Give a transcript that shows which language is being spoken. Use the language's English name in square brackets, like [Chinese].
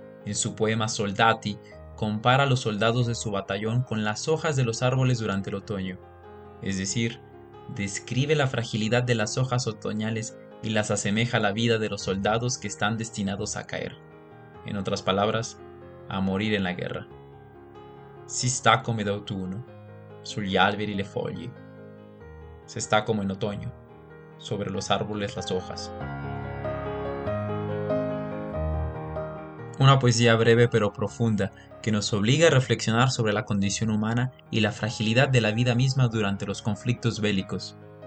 [Spanish] En su poema Soldati, compara a los soldados de su batallón con las hojas de los árboles durante el otoño. Es decir, describe la fragilidad de las hojas otoñales y las asemeja a la vida de los soldados que están destinados a caer. En otras palabras, a morir en la guerra. [Italian] Si sta come d'autunno, sugli alberi le foglie. [Spanish] Se está como en otoño. Sobre los árboles las hojas. Una poesía breve pero profunda que nos obliga a reflexionar sobre la condición humana y la fragilidad de la vida misma durante los conflictos bélicos.